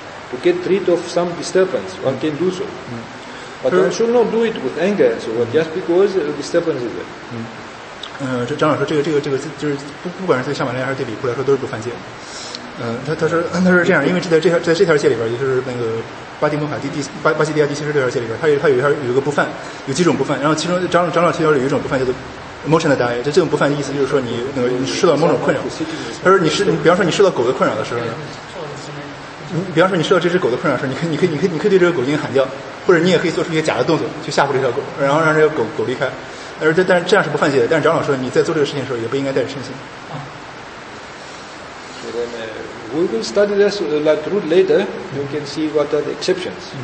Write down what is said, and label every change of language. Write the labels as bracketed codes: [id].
[en] To get rid of some disturbance, one can do so. But one should not do it with anger, so just because the disturbance is there. [zh] 这张老师这个就是不管是对上马来还是对比库来说都是不犯戒。他说这样，因为在这条戒里边，也就是那个巴蒂摩卡巴西迪亚第七十六条戒里边，他有一个不犯，有几种不犯。然后其中张老提到的有一种不犯叫做 motion 的 die， 就这种不犯的意思就是说你受到某种困扰。他说你比方说你受到狗的困扰的时候，你比方说你受到这只狗的困扰的时候，你可以对这个狗进行喊叫，或者你也可以做出一些假的动作去吓唬这条狗，然后让这个狗离开。但是这样是不犯戒的，但是长老说你在做这个事情的时候也不应该带着嗔心。 [en] So then, we will study this like rule later. You can see what are the exceptions.